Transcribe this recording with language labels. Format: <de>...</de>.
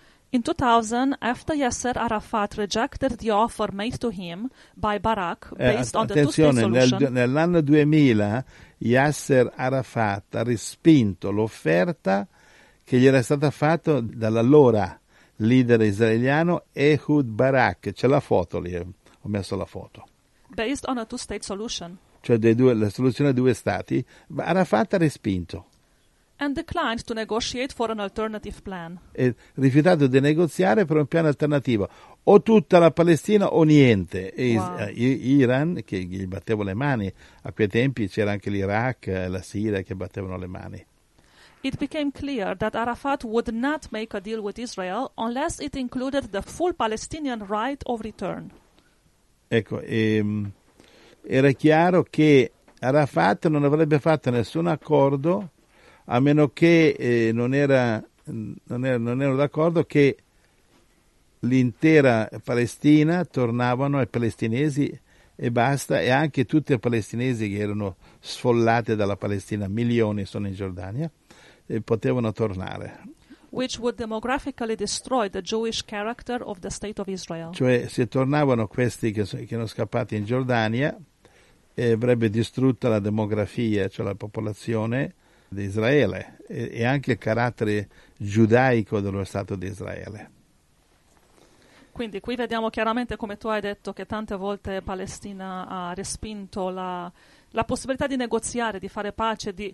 <en>In 2000, after Yasser Arafat rejected the offer made to him by Barack based on the two-state solution.</en> <it>Nell'anno 2000 Yasser Arafat ha respinto l'offerta che gli era stata fatta dall'allora leader israeliano Ehud Barak. C'è la foto lì, ho messo la foto.</it> <en>Based on a two-state solution.</en> <it>Cioè la soluzione dei due stati. Arafat ha respinto.</it> <en>And declined to negotiate for an alternative plan.</en> <it>E rifiutato di negoziare per un piano alternativo. O tutta la Palestina o niente. E Iran, che gli batteva le mani. A quei tempi c'era anche l'Iraq, la Siria che battevano le mani.</it> <en>It became clear that Arafat would not make a deal with Israel unless it included the full Palestinian right of return.</en> <it>Ecco, era chiaro che Arafat non avrebbe fatto nessun accordo a meno che non erano d'accordo che l'intera Palestina tornavano ai palestinesi e basta, e anche tutti i palestinesi che erano sfollati dalla Palestina, milioni sono in Giordania, e potevano tornare.</it> <en>which would demographically destroy the Jewish character of the state of Israel.</en> <it>Cioè, se tornavano questi che sono scappati in Giordania, avrebbe distrutta la demografia, cioè la popolazione di Israele, e anche il carattere giudaico dello Stato di Israele. Quindi qui vediamo chiaramente, come tu hai detto, che tante volte Palestina ha respinto la possibilità di negoziare, di fare pace.</it>